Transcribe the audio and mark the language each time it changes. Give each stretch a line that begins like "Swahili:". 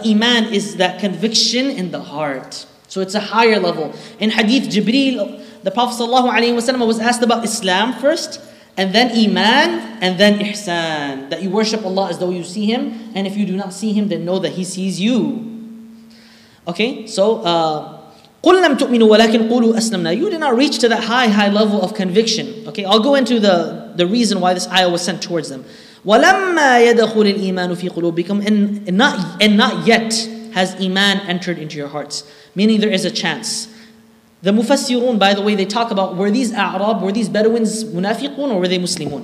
English: Iman is that conviction in the heart. So it's a higher level. In Hadith Jibreel, the Prophet ﷺ was asked about Islam first, and then Iman, and then Ihsan. That you worship Allah as though you see Him, and if you do not see Him, then know that He sees you.
Arabic: Okay, so, قُلْ لَمْ تُؤْمِنُوا وَلَكِنْ قُولُوا أَسْلَمْنَا.
English: You did not reach to that high level of conviction. Okay, I'll go into the reason why this ayah was sent towards them.
Arabic: وَلَمَّا يَدَخُلِ الْإِيمَانُ فِي قُلُوبِكُمْ
English: And not yet has Iman entered into your hearts. Meaning there is a chance. The Mufassirun, by the way, they talk about, were these A'rab, were these Bedouins Munafiqun, or were they Muslimun?